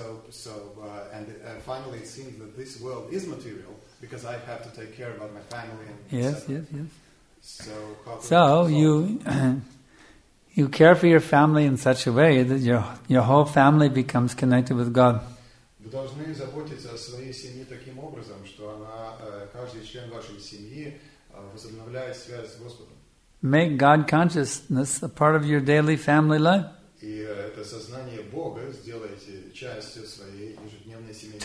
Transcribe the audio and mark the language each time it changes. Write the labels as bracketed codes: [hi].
[en] So, finally, it seems that this world is material because I have to take care about my family. And yes. So you. You care for your family in such a way that your whole family becomes connected with God. [ru] Вы должны заботиться о своей семье таким образом, что она каждый член вашей семьи возобновляет связь с Господом. [en] Make God consciousness a part of your daily family life. [ru] И это сознание Бога сделайте частью своей ежедневной семейной жизни.